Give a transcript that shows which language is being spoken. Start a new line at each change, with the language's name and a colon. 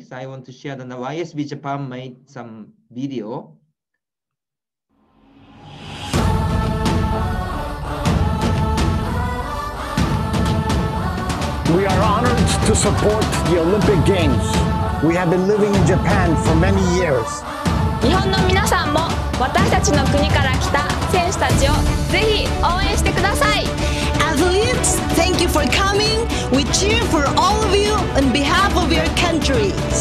English: So I want to share that the YSB Japan made some video. We are honored to support the Olympic Games. We have been living in Japan for many years.
Japanese: 日本の皆さんも私たちの国から来た選手たちをぜひ応援してください。
English: Athletes, thank you for coming. We cheer for all of you on behalf of your countries.